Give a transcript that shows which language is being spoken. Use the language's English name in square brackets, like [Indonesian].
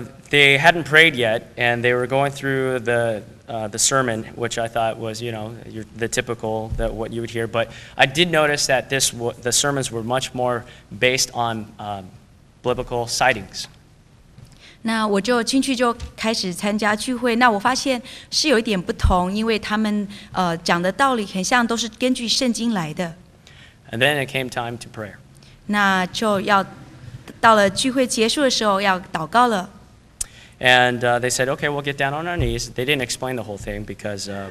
[English] They hadn't prayed yet, and they were going through the sermon, which I thought was, you know, the typical, that what you would hear. But I did notice that the sermons were much more based on biblical sightings. [Chinese] 那我就进去就开始参加聚会，那我发现是有一点不同，因为他们讲的道理很像都是根据圣经来的。 [English] And then it came time to prayer. [Chinese] 那就要到了聚会结束的时候要祷告了。 [English] And they said, okay, we'll get down on our knees. They didn't explain the whole thing because...